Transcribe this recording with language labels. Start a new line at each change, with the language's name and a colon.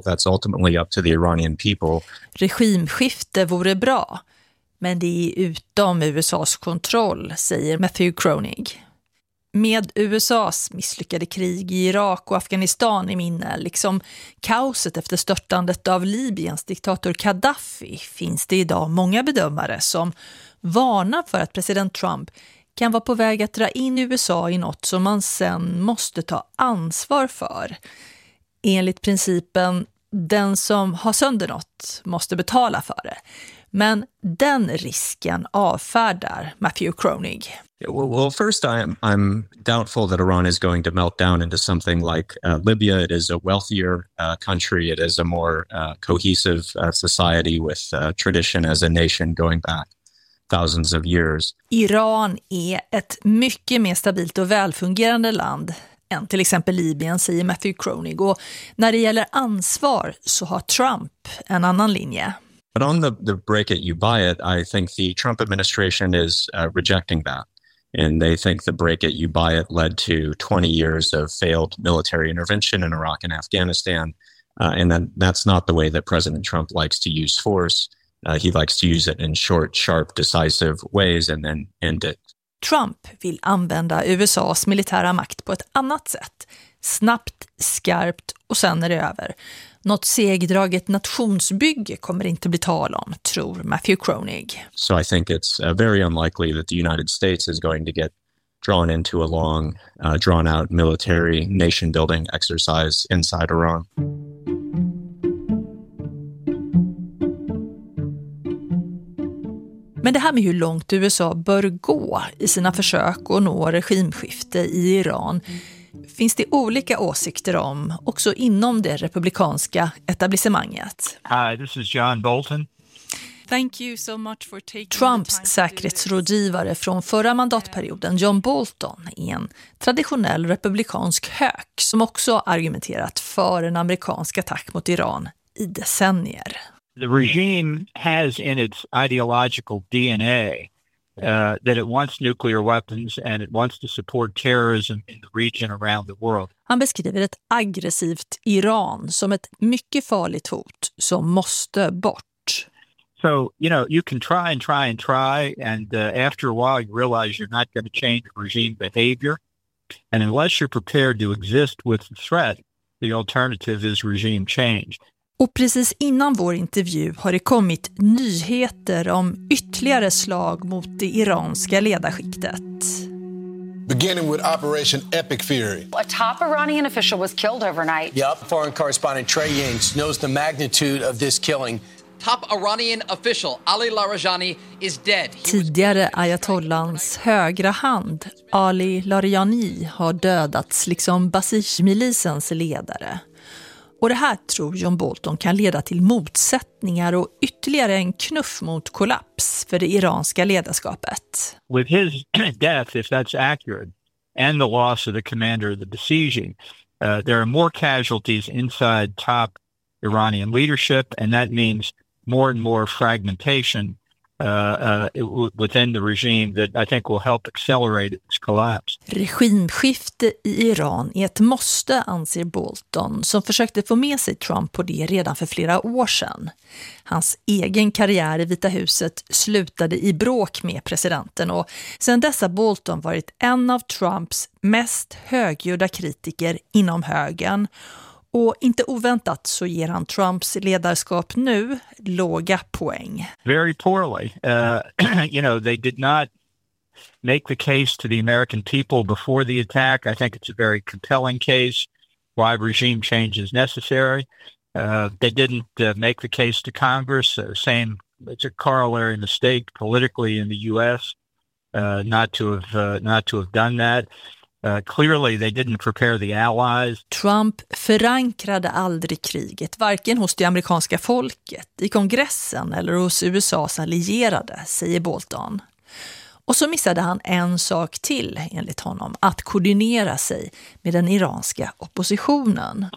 English: That's ultimately up to the Iranian people.
Swedish: Regimskifte vore bra, men det är utom USA:s kontroll, säger Matthew Kronig. Med USA:s misslyckade krig i Irak och Afghanistan i minne, liksom kaoset efter störtandet av Libyens diktator Gaddafi, finns det idag många bedömare som varnar för att president Trump kan vara på väg att dra in USA i något som man sen måste ta ansvar för. Enligt principen, den som har sönder något måste betala för det. Men den risken avfärdar Matthew Kronig.
English: Well, first I'm doubtful that Iran is going to melt down into something like Libya. It is a wealthier country. It is a more cohesive society with tradition as a nation going back thousands of years.
Swedish: Iran är ett mycket mer stabilt och välfungerande land än till exempel Libyen, säger Matthew Kronig. Och när det gäller ansvar så har Trump en annan linje.
English: But on the break it, you buy it, I think the Trump administration is rejecting that. And they think the break it, you buy it led to 20 years of failed military intervention in Iraq and Afghanistan. And that's not the way that President Trump likes to use force. He likes to use it in short, sharp, decisive ways and then end it.
Swedish: Trump vill använda USA:s militära makt på ett annat sätt. Snabbt, skarpt och sen är det över. Något segdraget nationsbygge kommer inte bli tal om, tror Matthew Kronig.
English: So I think it's very unlikely that the United States is going to get drawn into a long, drawn out military nation building exercise inside Iran.
Swedish: Men det här med hur långt USA bör gå i sina försök att nå regimskifte i Iran finns det olika åsikter om också inom det republikanska etablissemanget.
English: Hi, this is John Bolton. Thank you so much for taking
Swedish: Trumps säkerhetsrådgivare från förra mandatperioden, John Bolton, är en traditionell republikansk hök som också har argumenterat för en amerikansk attack mot Iran i decennier.
English: The regime has in its ideological DNA that it wants nuclear weapons and it wants to support terrorism in the region around the world.
Swedish: Han beskriver ett aggressivt Iran som ett mycket farligt hot som måste bort.
English: So, you know, you can try and try and try, and after a while you realize you're not going to change regime behavior. And unless you're prepared to exist with the threat, the alternative is regime change.
Swedish: Och precis innan vår intervju har det kommit nyheter om ytterligare slag mot det iranska ledarskiktet.
English: Beginning with Operation Epic Fury. A top Iranian official was killed overnight. Yep, foreign correspondent Trey Yang knows the magnitude of this killing. Top Iranian official Ali Larijani is dead.
Swedish: Tidigare ayatollans högra hand Ali Larijani har dödats liksom Basij-milisens ledare. Och det här tror John Bolton kan leda till motsättningar och ytterligare en knuff mot kollaps för det iranska ledarskapet.
English: With his death, if that's accurate, and the loss of the commander of the besieging, there are more casualties inside top Iranian leadership, and that means more and more fragmentation within the regime that I think will help accelerate its collapse.
Swedish: Regimskifte i Iran är ett måste, anser Bolton, som försökte få med sig Trump på det redan för flera år sedan. Hans egen karriär i Vita huset slutade i bråk med presidenten, och sedan dess har Bolton varit en av Trumps mest högljudda kritiker inom högern. Och inte oväntat så ger han Trumps ledarskap nu låga poäng.
English: Very poorly. You know, they did not make the case to the American people before the attack. I think it's a very compelling case why regime change is necessary. They didn't make the case to Congress. Same, it's a corollary mistake politically in the US not to have done that. Clearly they didn't prepare the allies.
Swedish: Trump förankrade aldrig kriget, varken hos det amerikanska folket, i kongressen eller hos USAs allierade, säger Bolton. Och så missade han en sak till, enligt honom, att koordinera sig med den iranska oppositionen.